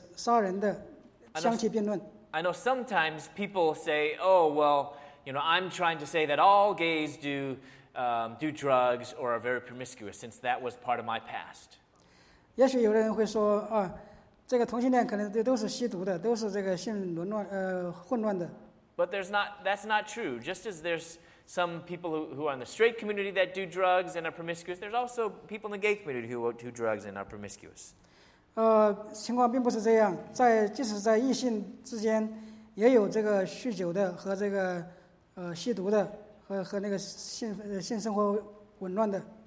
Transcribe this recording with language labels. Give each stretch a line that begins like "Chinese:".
Chinese: 不要把这个同性恋和恋童癖，还有这个酗酒和那个杀人的相提并论。
English: I know sometimes people say, "Oh, well, you know, I'm trying to say that all gays do drugs or are very promiscuous, since that was part of my past."
Chinese: 也许有的人会说啊。这个同性恋可能都是吸毒的，都是这个性混乱的。
English: But that's not true. Just as there's some people who are in the straight community that do drugs and are promiscuous, there's also people in the gay community who do drugs and are promiscuous.
Chinese: 情况并不是这样，即使在异性之间，也有这个酗酒的和这个吸毒的和那个性生活紊乱的。